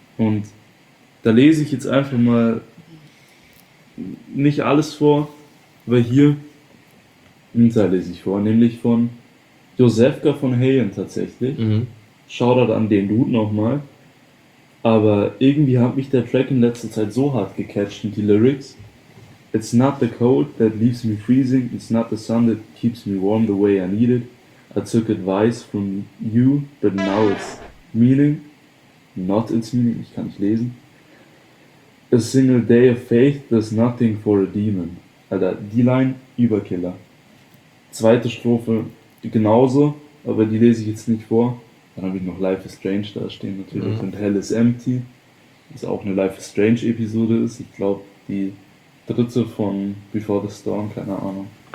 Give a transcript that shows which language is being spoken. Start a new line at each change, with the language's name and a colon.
German: Und da lese ich jetzt einfach mal nicht alles vor, aber hier da lese ich vor, nämlich von Josefka von Hayen tatsächlich. Mhm. Shoutout an den Dude nochmal. Aber irgendwie hat mich der Track in letzter Zeit so hart gecatcht und die Lyrics.
English: It's not the cold that leaves me freezing. It's not the sun that keeps me warm the way I need it. I took advice from you, but now it's meaning. Not its meaning,
German: ich kann nicht lesen.
English: A single day of faith does nothing for a demon.
German: Alter, die Line, Überkiller. Zweite Strophe, genauso, aber die lese ich jetzt nicht vor. Dann habe ich noch Life is Strange da stehen natürlich und Hell is Empty, was auch eine Life is Strange Episode ist. Ich glaube, die dritte von Before the Storm, keine Ahnung.